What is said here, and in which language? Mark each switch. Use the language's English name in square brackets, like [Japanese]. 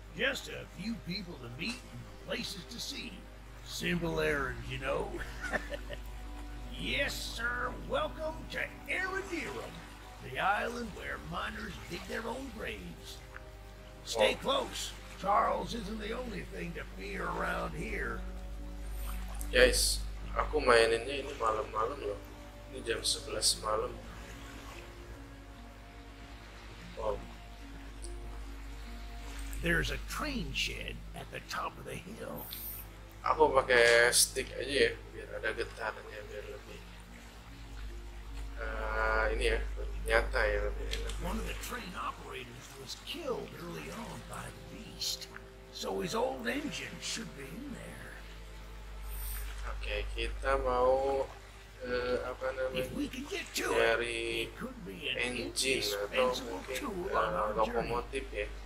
[English] Just a few people to meet and places to see. Simple errand, you know. Yes, sir. Welcome to Erendirum, the island where miners dig their own graves. Stay close. Charles isn't the only thing to fear around here. [Indonesian] Guys, aku maininnya ini malam-malam loh. Ini jam 11 malam. Wow. [English] There's a train shed at the top of the hill. [Indonesian] Aku pakai stick aja ya, biar ada getarannya biar lebih. Ini ya, nyata ya lebih enak. [English] One of the train operators was killed early on by the beast. So his old engine should be in there. [Indonesian] Okay, kita mau apa namanya? Dari engine atau mungkin lokomotif ya.